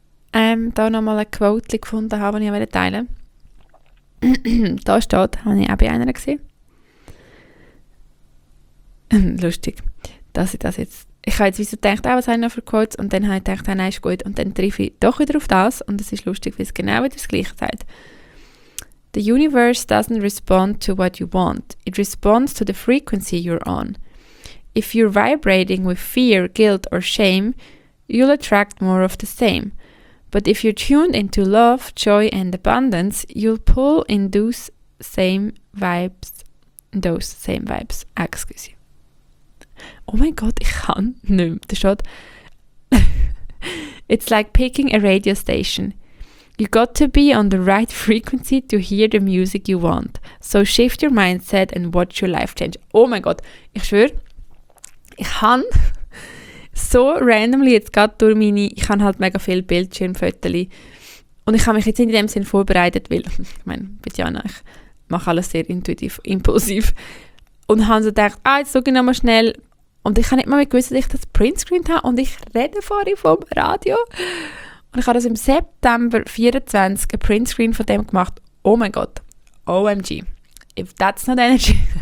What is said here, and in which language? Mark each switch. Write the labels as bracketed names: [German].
[German] Da noch mal eine Quote gefunden habe, die ich teilen wollte. Da steht, habe ich auch bei einer gesehen. Lustig, dass ich das jetzt... Ich habe jetzt wieso gedacht, was habe ich noch für Quotes? Und dann habe ich gedacht, nein, ist gut. Und dann treffe ich doch wieder auf das. Und es ist lustig, weil es genau wieder das Gleiche sagt. [English] The universe doesn't respond to what you want. It responds to the frequency you're on. If you're vibrating with fear, guilt or shame, you'll attract more of the same. But if you're tuned into love, joy and abundance, you'll pull in those same vibes. Those same vibes. Excuse you. [German] Oh mein Gott, ich kann nicht mehr. Das steht. [English] It's like picking a radio station. You got to be on the right frequency to hear the music you want. So shift your mindset and watch your life change. [German] Oh mein Gott, ich schwöre. Ich kann so randomly jetzt gerade durch meine, ich habe halt mega viele Bildschirmfotos und ich habe mich jetzt in dem Sinn vorbereitet, weil ich meine, bei Diana, ich mache alles sehr intuitiv, impulsiv und habe so gedacht, jetzt schaue ich nochmal schnell und ich habe nicht mal mehr gewusst, dass ich das Printscreen habe und ich rede vorhin vom Radio und ich habe das im September 24 ein Printscreen von dem gemacht. Oh mein Gott, OMG, [English] if that's not energy.